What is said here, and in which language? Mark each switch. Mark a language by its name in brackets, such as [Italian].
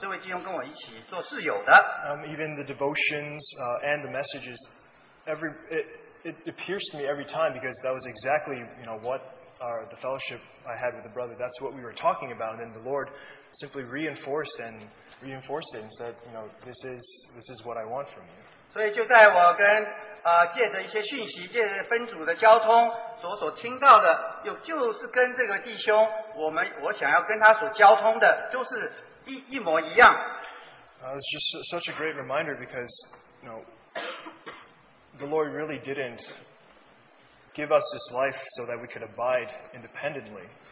[Chinese] 房主，那么那弟兄为我安排一个同住的，就是我一直想要有这位弟兄跟我一起做室友的。 [English] Even the devotions and the messages, it pierced me every time because that was exactly you know what or the fellowship I had with the brother, that's what we were talking about. And the Lord simply reinforced it and said, you know, this is what I want from you. [Chinese] 所以就在我跟借着一些讯息，借着分组的交通，所想要跟他所交通的，就是一模一样。 [English] It's just such a great reminder because, you know, the Lord really didn't give us this life so that we could abide independently.